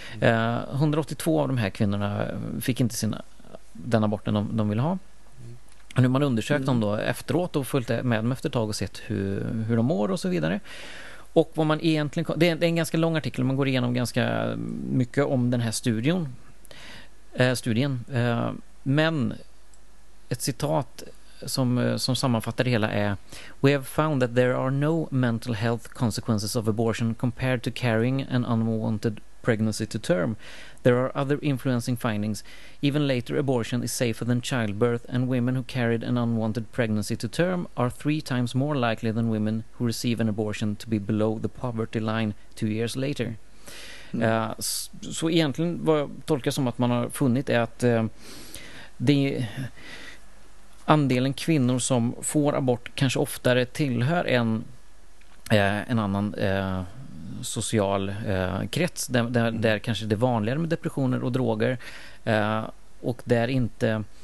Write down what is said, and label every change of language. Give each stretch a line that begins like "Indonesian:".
Swedish: 182 av de här kvinnorna fick inte den aborten de ville ha. Nu har man undersökt dem då efteråt och följt med dem efter ett tag och sett hur de mår och så vidare. Och vad man egentligen, det är en ganska lång artikel, man går igenom ganska mycket om den här studien. Men ett citat som sammanfattar det hela är:
English: "We have found that there are no mental health consequences of abortion compared to carrying an unwanted pregnancy to term. There are other influencing findings. Even later abortion is safer than childbirth, and women who carried an unwanted pregnancy to term are 3 times more likely than women who receive an abortion to be below the poverty line 2 years later."
Swedish: Så egentligen vad jag tolkar som att man har funnit är att det andelen kvinnor som får abort kanske oftare tillhör en annan social krets där kanske det är vanligare med depressioner och droger och där inte